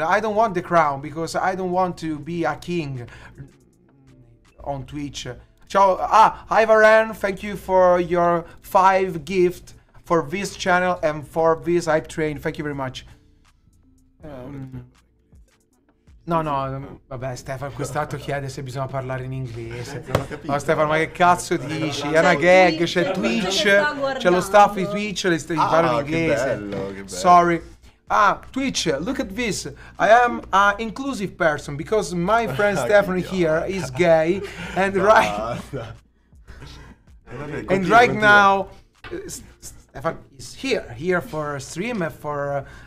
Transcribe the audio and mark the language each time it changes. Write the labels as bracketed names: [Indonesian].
[English] I don't want the crown, because I don't want to be a king on Twitch. Ciao, hi Varen, thank you for your 5 gift for this channel and for this hype train. Thank you very much. [Italian] No, vabbè, Stefano, quest'altro chiede se bisogna parlare in inglese. Ma no, Stefano, ma che cazzo dici? È una gag, c'è Twitch, c'è lo staff di Twitch, le stai parlando in inglese. Che bello. [English] Sorry. Twitch, look at this. I am an inclusive person because my friend Stefano here is gay and right. And right now Stefano is here for a stream for